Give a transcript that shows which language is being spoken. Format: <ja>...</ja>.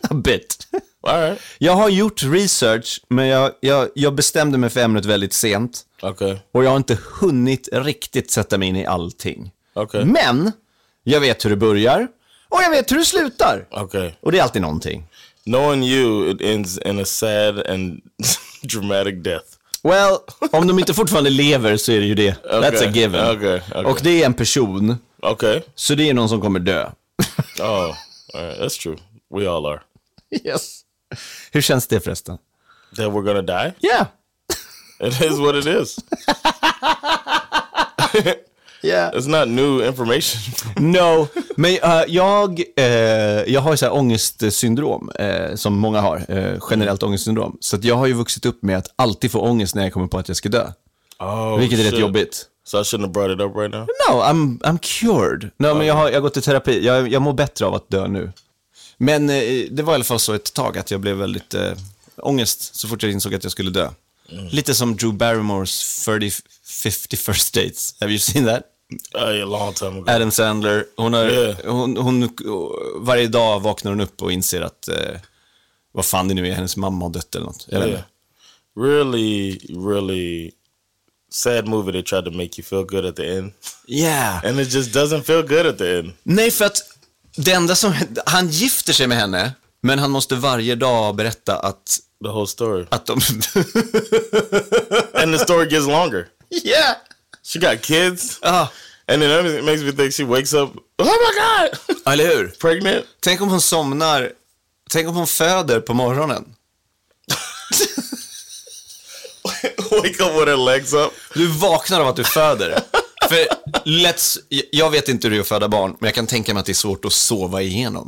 <en>A bit. All right.</en> <sv>Jag har gjort research, men jag bestämde mig för ämnet väldigt sent.</sv> <en>Okay.</en> <sv>Och jag har inte hunnit riktigt sätta mig in i allting.</sv> <en>Okay.</en> <sv>Men jag vet hur det börjar. Och jag vet hur det slutar.</sv> <en>Okay.</en> <sv>Och det är alltid någonting.</sv> <en>Knowing you, it ends in a sad and dramatic death.</en> <sv>Well, om de inte fortfarande lever så är det ju det.</sv> <en>Okay. That's a given. Okay. Okay.</en> <sv>Och det är en person.</sv> <en>Okay.</en> <sv>Så det är någon som kommer dö.</sv> <en>Oh, all right. That's true. We all are. Yes.</en> <sv>Hur känns det förresten?</sv> <en>That we're gonna die? Yeah. It is what it is. Yeah. It's not new information.</en> <sv>No, men jag har ju så här ångestsyndrom som många har, generellt ångestsyndrom. Så att jag har ju vuxit upp med att alltid få ångest när jag kommer på att jag ska dö.</sv> <en>Oh,</en> <sv>vilket är</sv> <en>shit.</en> <sv>Rätt jobbigt.</sv> <en>So I shouldn't have brought it up right now? No, I'm cured.</en> <sv>No, men jag har gått i terapi. Jag mår bättre av att dö nu. Men det var i alla fall så ett tag att jag blev väldigt ångest så fort jag insåg att jag skulle dö.</sv> <en>Mm. Lite som Drew Barrymore's 51st Dates. Have you seen that? A long time ago. Adam Sandler.</en> <sv>Hon varje dag vaknar hon upp och inser att vad fan det nu är, hennes mamma har dött eller något. Eller?</sv> <en>Yeah. Really, really sad movie that tried to make you feel good at the end. Yeah. And it just doesn't feel good at the end.</en> <sv>Nej, för att det enda som... Han gifter sig med henne, men han måste varje dag berätta att...</sv> <en>The whole story.</en> <sv>Att de...</sv> <en>And the story gets longer. Yeah. She got kids. And then it makes me think she wakes up. Oh my god.</en> <sv>Eller hur?</sv> <en>Pregnant.</en> <sv>Tänk om hon somnar. Tänk om hon föder på morgonen.</sv> <en>Wake up with her legs up.</en> <sv>Du vaknar av att du föder. För jag vet inte hur det är att föda barn, men jag kan tänka mig att det är svårt att sova igenom.</sv>